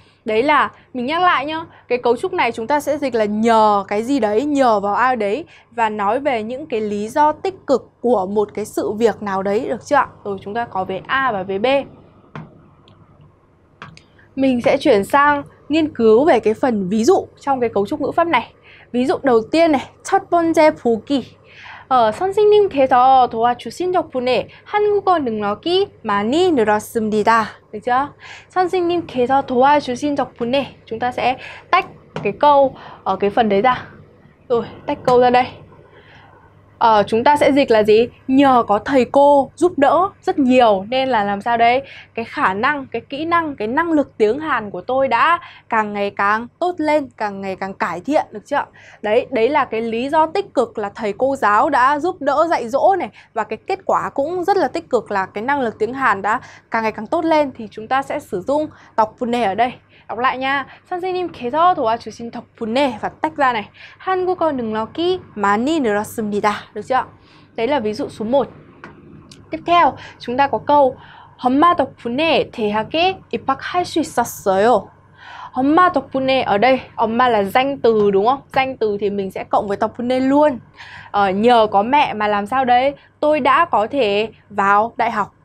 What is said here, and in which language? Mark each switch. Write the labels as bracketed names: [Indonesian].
[Vietnamese] Đấy là, mình nhắc lại nhá, cái cấu trúc này chúng ta sẽ dịch là nhờ cái gì đấy, nhờ vào ai đấy, và nói về những cái lý do tích cực của một cái sự việc nào đấy, được chưa? Rồi chúng ta có vế A và vế B. Mình sẽ chuyển sang nghiên cứu về cái phần ví dụ trong cái cấu trúc ngữ pháp này. Ví dụ đầu tiên này, [Korean] 첫 번째 보기. 선생님께서 도와주신 덕분에 한국어 능력이 많이 늘었습니다. 그렇죠? 선생님께서 도와주신 덕분에 [Vietnamese] chúng ta sẽ tách cái câu ở cái phần đấy ra. Rồi, tách câu ra đây. Chúng ta sẽ dịch là gì? Nhờ có thầy cô giúp đỡ rất nhiều nên là làm sao đấy? Cái khả năng, cái kỹ năng, cái năng lực tiếng Hàn của tôi đã càng ngày càng tốt lên, càng ngày càng cải thiện, được chưa? Đấy, đấy là cái lý do tích cực là thầy cô giáo đã giúp đỡ dạy dỗ này. Và cái kết quả cũng rất là tích cực là cái năng lực tiếng Hàn đã càng ngày càng tốt lên. Thì chúng ta sẽ sử dụng tọc phụ này ở đây. Đọc lại nha. [Korean] 선생님께서 도와주신 덕분에 [Vietnamese] và tách ra này. [Korean] 한국어 능력이 많이 늘었습니다. [Vietnamese] Được chưa? Đấy là ví dụ số 1. Tiếp theo, chúng ta có câu [Korean] 엄마 덕분에 대학에 입학할 수 있었어요. 엄마 덕분에 [Vietnamese] ở đây, 엄마 là danh từ đúng không? Danh từ thì mình sẽ cộng với 덕분에 luôn. Nhờ có mẹ mà làm sao đấy? Tôi đã có thể vào đại học.